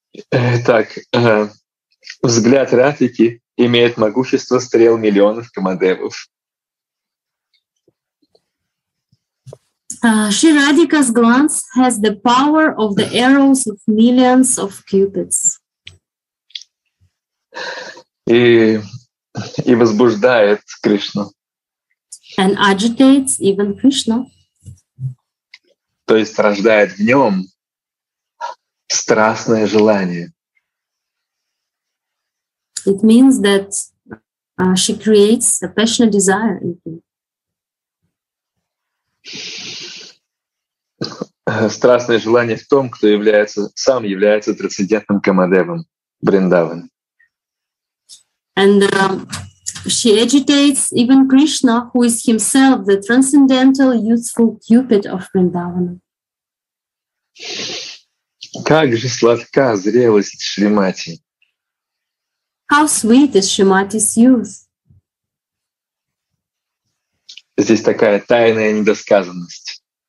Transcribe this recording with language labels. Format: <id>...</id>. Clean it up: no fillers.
<ru>Так, взгляд Ратики имеет могущество стрел миллионов камадевов.</ru> <en>Shri Radhika's glance has the power of the arrows of millions of cupids.</en> <ru>И возбуждает Кришну.</ru> <en>And agitates even Krishna.</en> <ru>То есть рождает в нем страстное желание.</ru> <en>It means that she creates a passionate desire in him.</en> <ru>Страстное желание в том, кто является, сам является трансцендентным камадевом Бриндаван.</ru> <en>And she agitates even Krishna, who is himself the transcendental youthful cupid of Vrindavana.</en> <ru>Как же сладка зрелость Шримати.</ru> <en>How sweet is Shrimati's youth.</en> <ru>Здесь такая тайная недосказанность.</ru>